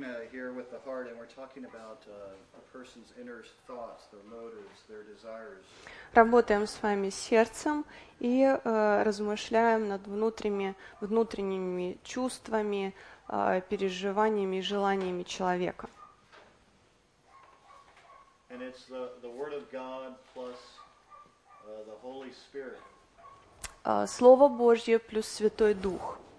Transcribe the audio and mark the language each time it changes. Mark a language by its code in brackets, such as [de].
[en] Here with the heart, and we're talking about a person's inner thoughts, their motives, their desires. [ru] Работаем с вами сердцем и размышляем над внутренними чувствами, переживаниями, желаниями человека. [en] And it's the Word of God plus the Holy Spirit. [ru] Слово Божье плюс Святой Дух.